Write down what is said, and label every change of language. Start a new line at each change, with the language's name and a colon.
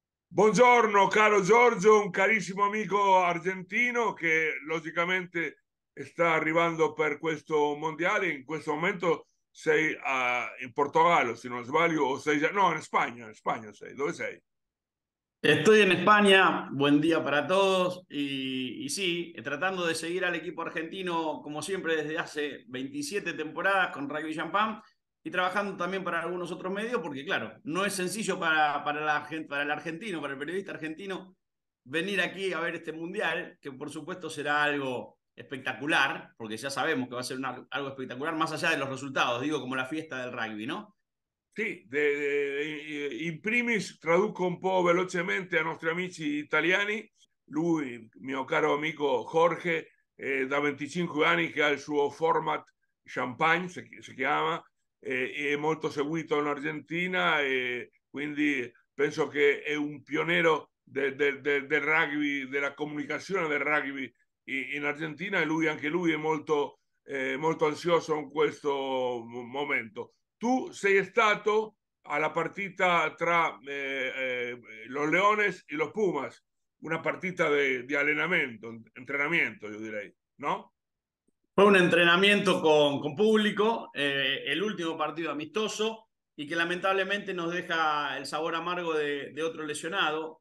Italian: Buongiorno, caro Giorgio, un carissimo amico argentino che logicamente sta arrivando per questo mondiale. In questo momento sei in Portogallo, se non sbaglio, o sei già... No, in Spagna sei. Dove sei?
Spanish: Estoy en España, buen día para todos y sí, tratando de seguir al equipo argentino como siempre desde hace 27 temporadas con Rugby Champagne y trabajando también para algunos otros medios porque claro, no es sencillo para el argentino, para el periodista argentino venir aquí a ver este mundial que por supuesto será algo espectacular porque ya sabemos que va a ser algo espectacular más allá de los resultados, digo como la fiesta del rugby, ¿no?
Italian: Sì, in primis traduco un po' velocemente ai nostri amici italiani. Lui, mio caro amico Jorge, è da 25 anni che ha il suo format Champagne, si chiama, è molto seguito in Argentina e quindi penso che è un pioniere del rugby, della comunicazione del rugby in Argentina e lui, anche lui è molto, molto ansioso in questo momento. Tu sei stato alla partita tra los Leones e los Pumas, una partita di allenamento, entrenamiento, io direi, no?
Spanish: Fue un entrenamiento con público, el último partido amistoso y que lamentablemente nos deja el sabor amargo de otro lesionado.